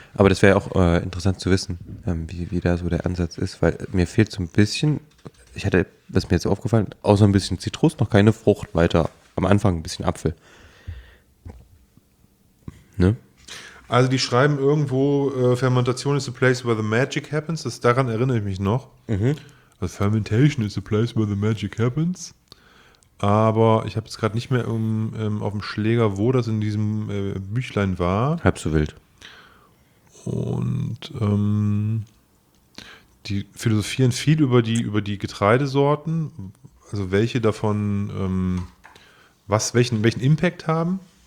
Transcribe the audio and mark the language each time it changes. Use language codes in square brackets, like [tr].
[de] Aber das wäre ja auch interessant zu wissen, wie da so der Ansatz ist, weil mir fehlt so ein bisschen, ich hatte, was mir jetzt aufgefallen, außer ein bisschen Zitrus, noch keine Frucht weiter. Am Anfang ein bisschen Apfel. Ne? Also die schreiben irgendwo, [en] Fermentation is the place where the magic happens. [de] Das, daran erinnere ich mich noch. Mhm. [en] Also Fermentation is the place where the magic happens. [de] Aber ich habe jetzt gerade nicht mehr auf dem Schläger, wo das in diesem Büchlein war. Halb so wild. Und die philosophieren viel über die Getreidesorten. Also welche davon, welchen Impact haben.